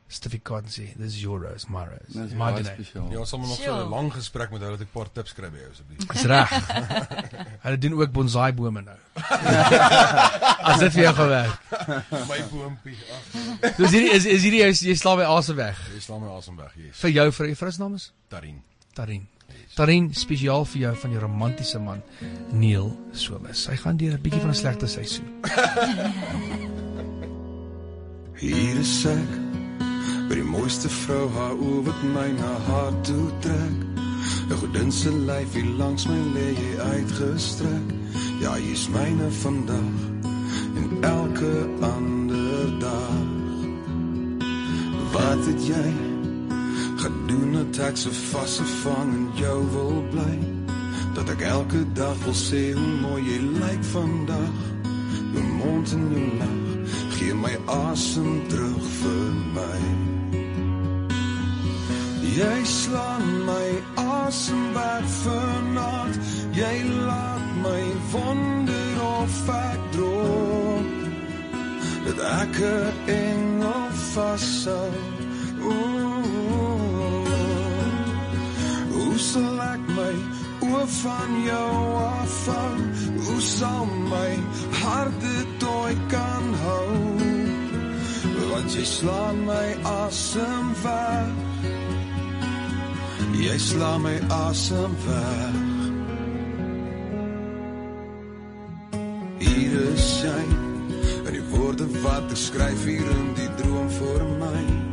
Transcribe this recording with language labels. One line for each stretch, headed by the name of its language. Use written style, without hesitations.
English: Stiffy Cotton sê, this is your rose, my rose. That's my special.
Afrikaans: Ja, ons sal nog so 'n lang gesprek met hulle, dat ek paar tips kry by jou, asseblief. Dis reg. Hulle doen ook bonsai bome nou. As dit vir jou gewerk. My boompie. Dus hierdie, is hierdie, jy sla my asem weg. Jy sla my asem weg, yes. Vir jou, vir jou vrou se naam is? Tarin. Tarin. Tarin, speciaal vir jou van die romantiese man, Neil Somers. Hy gaan deur 'n bietjie van 'n slegte seisoen. Hier is ek, by die mooiste vrou, haar oor wat my na haar toe trek. Een gedinse lyfie langs my leie uitgestrek. Ja, hy is myne vandag, en elke ander dag. Wat het jy? Gedoen dat ek so vast gevang en jou wil bly, dat ek elke dag wil sê hoe mooi jy lyk vandag. Jou mond en jou lach, gee my asem terug vir my. Jy slaan my asem weg vanaand, jy laat my wonder of ek droom, dat ek een engel vast hou. Hoe sal ek my oor van jou afvang? Hoe sal my hart dit ooit kan hou? Want jy slaan my asem weg, jy slaan my asem weg. Hier is jy, in die woorde wat ek skryf hier in die droom voor my.